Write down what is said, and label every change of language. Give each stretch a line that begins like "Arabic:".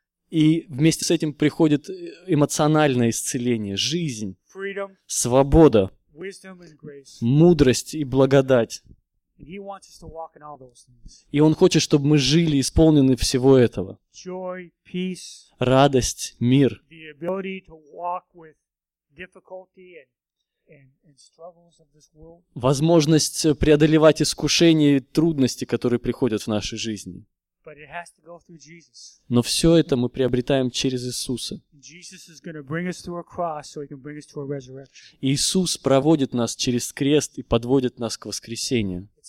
Russian: И вместе с этим приходит эмоциональное исцеление, жизнь, свобода, мудрость и благодать.
English: He wants us to walk in all those things.
Russian: И Он хочет, чтобы мы жили, исполнены всего этого.
English: Joy, peace,
Russian: радость, мир.
English: The ability to walk with difficulty and struggles of this world.
Russian: Возможность преодолевать искушения и трудности, которые приходят в нашей жизни.
English: But it has to go through Jesus.
Russian: Но все это мы приобретаем через Иисуса.
English: Jesus is going to bring us through a cross so He can bring us to a resurrection.
Russian: Иисус проводит нас через крест и подводит нас к воскресению.